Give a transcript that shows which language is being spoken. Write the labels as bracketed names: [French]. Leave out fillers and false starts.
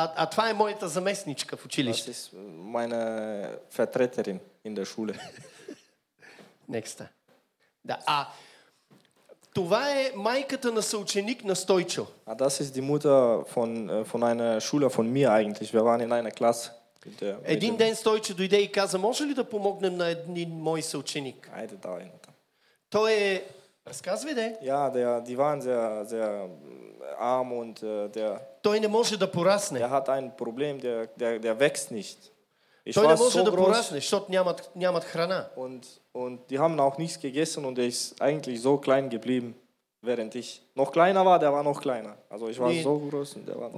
[Bulgarian] Това е моята заместничка в училище. [German] Das ist meine Vertreterin in der Schule. Nächste. Да. [Bulgarian] Това е майката на съученик на Стойчо. [German] Das ist die Mutter von einer Schüler von mir eigentlich. Wir waren in einer Klasse. [Bulgarian] Един ден Стойче дойде и каза: може ли да помогнем на един мой съученик? Айде, давай натам. Той е... Разказвай, де? [German] Ja, die waren sehr arm und der... [Bulgarian] Той не може да порасне. [German] Der hat ein Problem, der wächst nicht. [Bulgarian] Той не може да порасне, защото нямат храна. [German] Und die haben auch nichts gegessen und er ist eigentlich so klein geblieben. Während ich noch kleiner war, der war noch kleiner. Also ich war so groß und der war noch...